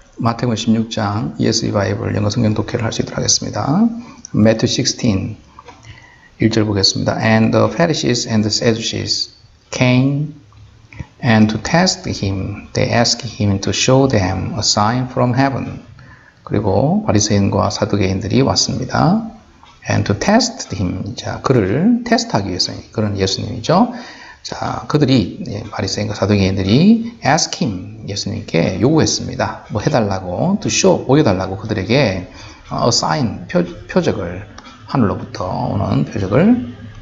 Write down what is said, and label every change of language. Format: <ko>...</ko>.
<ko>마태복음 16장 ESV 바이블 영어성경 독해를 할수 있도록 하겠습니다. Matthew 16, 1절 보겠습니다.</ko> <en>And the Pharisees and the Sadducees came and to test him. They asked him to show them a sign from heaven.</en> <ko>그리고 바리새인과 사두개인들이 왔습니다.</ko> <en>And to test him.</en> <ko>자, 그를 테스트하기 위해서 그런 예수님이죠. 자, 그들이, 바리새인과 사두개인들이</ko> <en>ask him,</en> <ko>예수님께 요구했습니다. 뭐 해달라고,</ko> <en>to show,</en> <ko>보여달라고 그들에게</ko> <en>a sign,</en> <ko>표적을, 하늘로부터 오는 표적을.</ko>